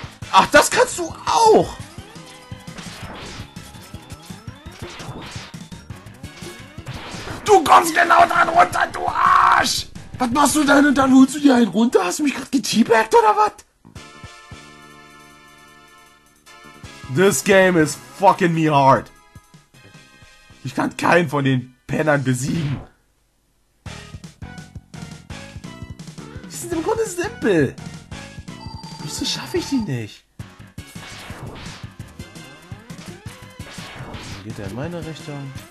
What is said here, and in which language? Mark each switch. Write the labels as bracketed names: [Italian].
[German] Ach, das kannst du auch. kommst genau dran runter, du Arsch! Was machst du denn und dann holst du dir einen runter? Hast du mich gerade geteabagged oder was? [English] This game is fucking me hard. [German] Ich kann keinen von den Pennern besiegen. Die sind im Grunde simpel. Wieso schaffe ich die nicht? Dann geht er in meine Richtung.